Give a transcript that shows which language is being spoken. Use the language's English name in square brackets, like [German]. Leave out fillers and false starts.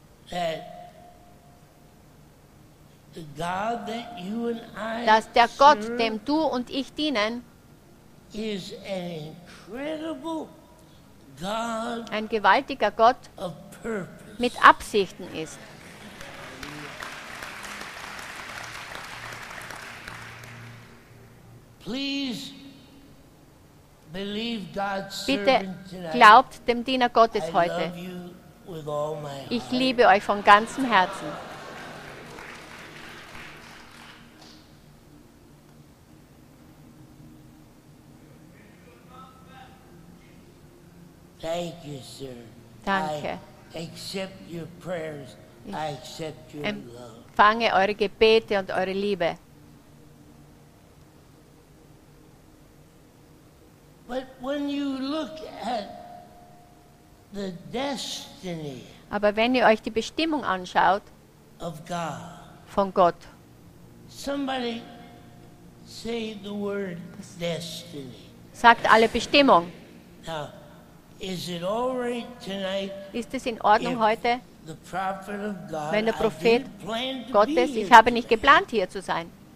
[English] that the God that you and I [German] dass der Gott, dem du und ich dienen, [English] is an incredible God, [German] ein gewaltiger Gott [English] of purpose. [German] Mit Absichten ist. [English] Please believe God's [German] bitte [English] servant tonight. [German] Glaubt dem Diener Gottes [English] I [German] heute. [English] Love you with all my heart. [German] Ich liebe euch von ganzem Herzen. [English] Thank you, sir. [German] Danke. [English] I accept your prayers. I accept your love. [German] Empfange eure Gebete und eure Liebe. [English] But when you look at the destiny, [German] aber wenn ihr euch die Bestimmung anschaut, [English] of God, [German] von Gott, [English] somebody say the word destiny. [German] Sagt alle Bestimmung. [English] Now, is it all right tonight, [German] ist es in Ordnung heute, [English] the prophet of God, [German] wenn der Prophet Gottes, ich habe nicht geplant, hier zu sein.